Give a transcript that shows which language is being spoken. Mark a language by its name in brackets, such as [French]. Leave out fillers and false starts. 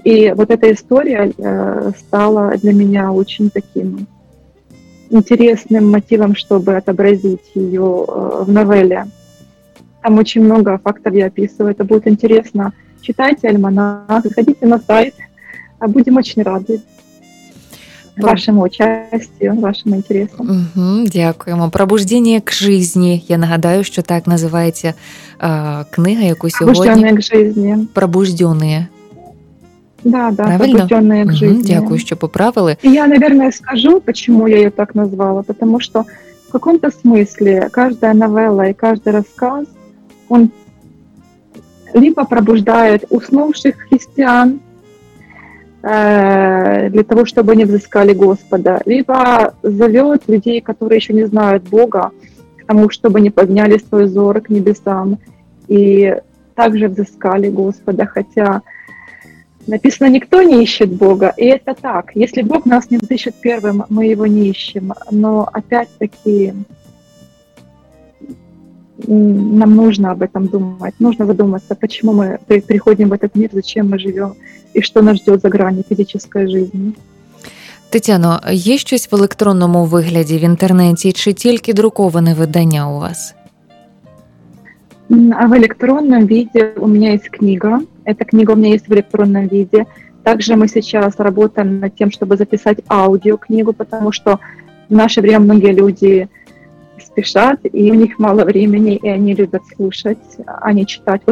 [Russian] И вот эта история стала для меня очень таким интересным мотивом, чтобы отобразить ее в новелле. Там очень много фактов я описываю, это будет интересно. Читайте альманах, заходите на сайт, будем очень рады вашему участию, вашим интересам. [Ukrainian] Угу, дякуємо. «Пробуждение к жизни». Я нагадаю, що так називається книга, яку сьогодні... [Russian] «Пробужденные к жизни». «Пробужденные». Да, правильно? «Пробужденные к жизни». [Ukrainian] Дякую, що поправили. [Russian] И я, наверное, скажу, почему я ее так назвала. Потому что в каком-то смысле каждая новелла и каждый рассказ, он либо пробуждает уснувших христиан для того, чтобы они взыскали Господа, либо зовет людей, которые еще не знают Бога, к тому, чтобы они подняли свой взор к небесам и также взыскали Господа, хотя... Написано, никто не ищет Бога, и это так. Если Бог нас не взыщет первым, мы его не ищем. Но опять-таки нам нужно об этом думать, нужно задуматься, почему мы приходим в этот мир, зачем мы живем, и что нас ждет за грани физической жизни. [Ukrainian] Тетяно, є щось в електронному вигляді, в інтернеті, чи тільки друковане видання у вас? [Russian] А в электронном виде у меня есть книга. Эта книга у меня есть в электронном виде. Также мы сейчас работаем над тем, чтобы записать аудиокнигу, потому что в наше время многие люди спешат, и у них мало времени, и они любят слушать, а не читать.